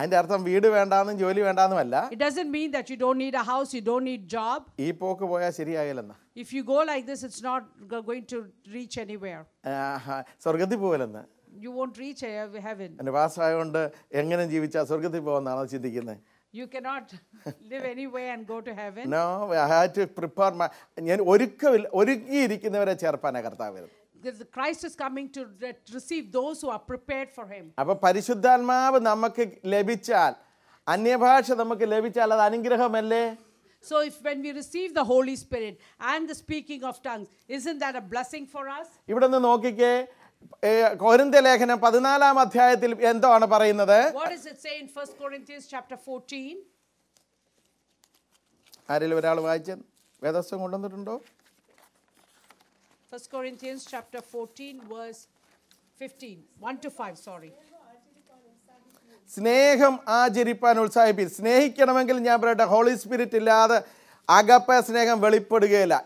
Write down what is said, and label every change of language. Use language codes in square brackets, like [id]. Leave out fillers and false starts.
[ml] അതിന്റെ അർത്ഥം വീട് വേണ്ടാന്നും ജോലി വേണ്ടാന്നും അല്ല. [en] It doesn't mean that you don't need a house, you don't need job. [ml] ഈ പോക്ക് പോയാ ശരിയായില്ലെന്ന്. [en] If you go like this, it's not going to reach anywhere. [ml] സ്വർഗ്ഗത്തിൽ പോവില്ലെന്ന്. [en] You won't reach heaven. [ml] എന്നെ വാസായകൊണ്ട് എങ്ങനെ ജീവിച്ചാൽ സ്വർഗ്ഗത്തിൽ പോവാന്നാണ് ചിന്തിക്കുന്നത്? [en] You cannot live anywhere and go to heaven. No, I had to prepare my [ml] ഞാൻ ഒരുങ്ങിയിരിക്കുന്നവരെ ചേർപ്പാനാണ് കർത്താവ്. [en] Christ is coming to receive those who are prepared for him. [ml] അപ്പോൾ പരിശുദ്ധാത്മാവ് നമുക്ക് ലഭിച്ചാൽ, അന്യഭാഷ നമുക്ക് ലഭിച്ചാൽ അത് അനുഗ്രഹമല്ലേ? [en] So if when we receive the Holy Spirit and the speaking of tongues, isn't that a blessing for us? [ml] ഇവിടെ നിന്ന് നോക്കിക്കെ കൊരിന്ത്യ ലേഖനം 14-ാം അധ്യായത്തിൽ എന്താണ് പറയുന്നത്? [en] What is it saying in 1 Corinthians chapter 14? [ml] ആരെങ്കിലും ഒരാൾ വായിച്ച് വേദസ്ഥം കൊണ്ടുവന്നിട്ടുണ്ടോ? [en] 1 Corinthians chapter 14 verse 15, 1 to 5, sorry. [ml] സ്നേഹം ആചരിപ്പാൻ ഉത്സാഹിപ്പിക്കും. സ്നേഹിക്കണമെങ്കിൽ ഞാൻ പറയട്ടെ, ഹോളി സ്പിരിറ്റ് ഇല്ലാതെ അകപ്പ സ്നേഹം വെളിപ്പെടുകയില്ല.